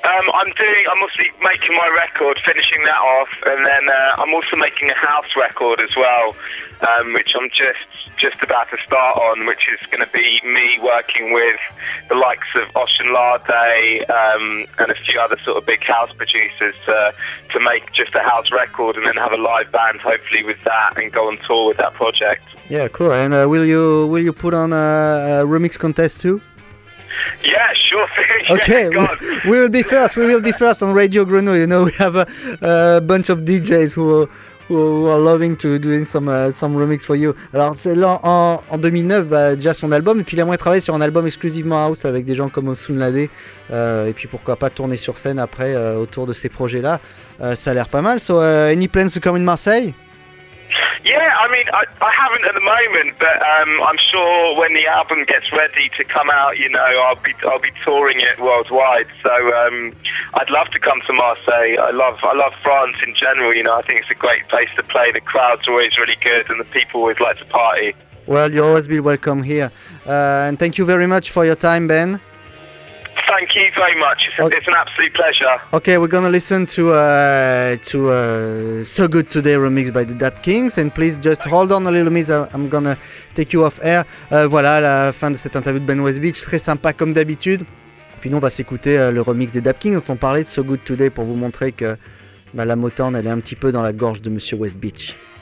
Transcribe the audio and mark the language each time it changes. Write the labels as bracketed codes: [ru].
[en] I'm obviously making my record, finishing that off, and then I'm also making a house record as well, which I'm just about to start on, which is going to be me working with the likes of Ocean Lade and a few other sort of big house producers to make just a house record and then have a live band hopefully with that and go on tour with that project. Yeah, cool. And will you put on a remix contest too? Yeah, sure thing. Okay, we will be first. We will be first on Radio Grenouille. You know, we have a bunch of DJs who are loving to doing some remix for you. [fr] Alors, c'est là en 2009, bah, déjà son album. Et puis, il aimerait travailler sur un album exclusivement house avec des gens comme Ocean Lade. Et puis, pourquoi pas tourner sur scène après autour de ces projets-là. Ça a l'air pas mal. [en] So, any plans to come in Marseille? Yeah, I mean, I haven't at the moment, but I'm sure when the album gets ready to come out, you know, I'll be touring it worldwide. So I'd love to come to Marseille. I love France in general. You know, I think it's a great place to play. The crowds are always really good, and the people always like to party. Well, you'll always be welcome here, and thank you very much for your time, Ben. Thank you very much. It's an absolute pleasure. Okay, we're going to listen to So Good Today remix by the Dap Kings. And please just hold on a little bit. I'm going to take you off air. [fr] Voilà, la fin de cette interview de Ben Westbeach. Très sympa comme d'habitude. Puis nous, on va s'écouter le remix des Dap Kings dont on parlait de So Good Today pour vous montrer que bah, la Motown, elle est un petit peu dans la gorge de Monsieur Westbeach.